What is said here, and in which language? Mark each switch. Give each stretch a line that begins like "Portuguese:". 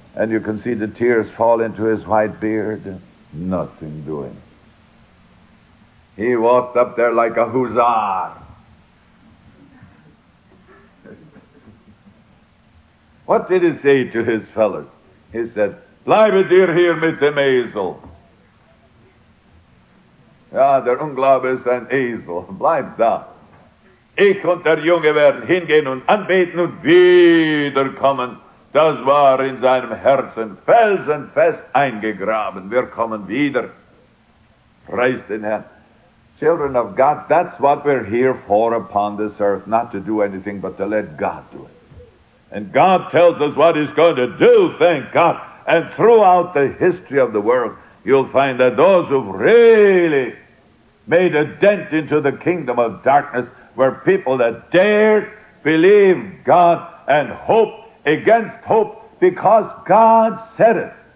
English: And you can see the tears fall into his white beard. Nothing doing. He walked up there like a hussar. What did he say to his fellows? He said,
German: Bleibe dir hier mit dem Esel. Ja, der Unglaube ist ein Esel. Bleib da. Ich und der Junge werden hingehen und anbeten und wiederkommen. Das war in seinem Herzen felsenfest eingegraben. Wir kommen wieder. Preist den Herrn.
English: Children of God, that's what we're here for upon this earth, not to do anything but to let God do it. And God tells us what he's going to do, thank God. And throughout the history of the world, you'll find that those who've really made a dent into the kingdom of darkness were people that dared believe God and hope against hope because God said it.